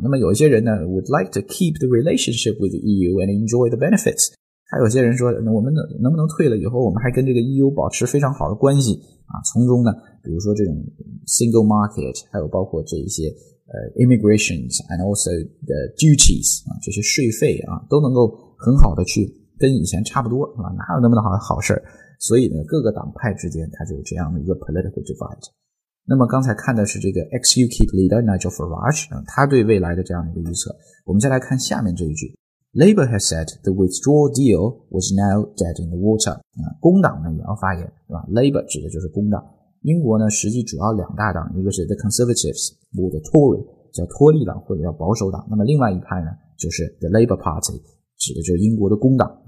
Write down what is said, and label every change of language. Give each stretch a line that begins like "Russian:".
Chinese: 那么有些人呢
English: ，would like to keep the relationship with the EU and enjoy the benefits。
Chinese: 还有些人说，那我们能不能退了以后，我们还跟这个 EU 保持非常好的关系啊？从中呢，比如说这种 single market， 还有包括这一些
English: immigrations and also the duties
Chinese: 啊，这些税费啊，都能够很好的去跟以前差不多，是吧？哪有那么的好的好事？所以呢，各个党派之间它就有这样的一个 political divide。那么刚才看的是这个 ex-UKIP leader Nigel Farage 啊，他对未来的这样的一个预测。我们再来看下面这一句。
English: Labour has said the withdrawal deal was now dead in the water.
Chinese: 工党呢也要发言，对吧？Labour 指的就是工党。英国呢实际主要两大党，一个是 the Conservatives or the Tory 叫托利党或者叫保守党，那么另外一派呢就是 the Labour Party 指的就是英国的工党。